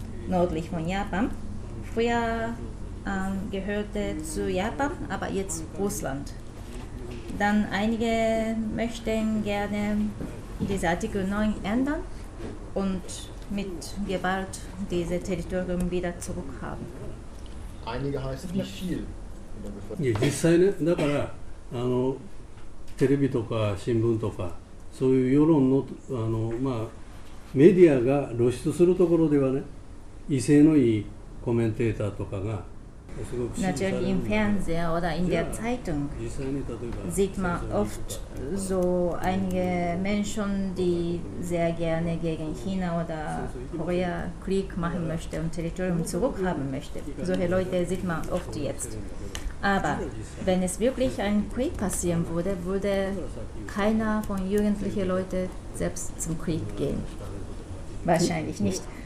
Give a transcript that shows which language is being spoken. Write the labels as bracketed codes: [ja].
[de] nördlich von Japan. Früher gehörte zu Japan, aber jetzt Russland. Dann einige möchten gerne diesen Artikel 9 ändern und mit Gewalt diese Territorium wieder zurückhaben. Einige heißt wie viel? [ja] Ja, 実際ね, だから、あの、テレビとか新聞とか、そういう世論の、あの、まあ、メディアが露出するところではね、威勢のいいコメンテーターとかが、すごく支持されるんだけど。 [de] Natürlich im Fernsehen oder in der Zeitung sieht man oft so einige Menschen, die sehr gerne gegen China oder Korea Krieg machen möchte und Territorium zurückhaben möchte. Solche Leute sieht man oft jetzt. Aber wenn es wirklich ein Krieg passieren würde, würde keiner von jugendlichen Leuten selbst zum Krieg gehen. Wahrscheinlich nicht.